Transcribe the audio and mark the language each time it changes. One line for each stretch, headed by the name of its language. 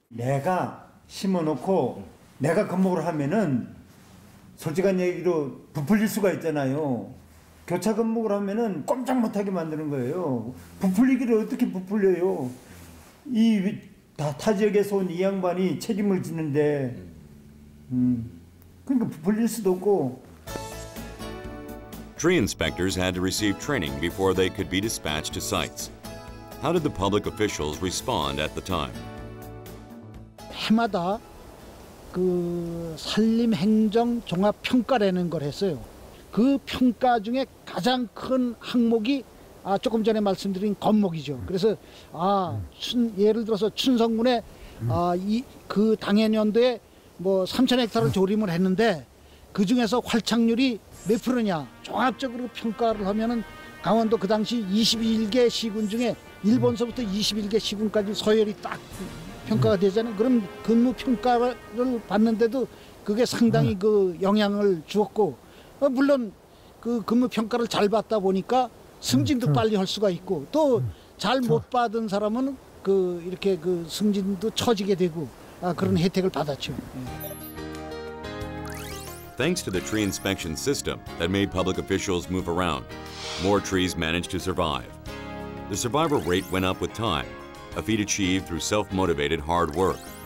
Korean: 내가 심어놓고 내가 겉목을 하면은 솔직한 얘기로 부풀릴 수가 있잖아요. 교차 겉목을 하면은 꼼짝 못하게 만드는 거예요. 부풀리기를 어떻게 부풀려요? 이 타 지역에서 온 이 양반이 책임을 지는데 그러니까 부풀릴 수도 없고.
English: Tree inspectors had to receive training before they could be dispatched to sites. How did the public officials respond at the time?
Korean: 해마다 그 산림 행정 종합 평가라는 걸 했어요. 그 평가 중에 가장 큰 항목이 아 조금 전에 말씀드린 겉목이죠. 그래서 아 예를 들어서 춘성군에 아 이 그 당해 연도에 뭐 3천 헥타르를 조림을 했는데 그 중에서 활착률이 몇 프로냐 종합적으로 평가를 하면은 강원도 그 당시 21개 시군 중에 일본서부터 21개 시군까지 서열이 딱 평가가 되잖아요. 그럼 근무 평가를 받는데도 그게 상당히 그 영향을 주었고 물론 그 근무 평가를 잘 받다 보니까 승진도 빨리 할 수가 있고 또 잘 못 받은 사람은 그 이렇게 그 승진도 처지게 되고 그런 혜택을 받았죠.
English: Thanks to the tree inspection system that made public officials move around, more trees managed to survive. The survival rate went up with time, a feat achieved through self-motivated hard work.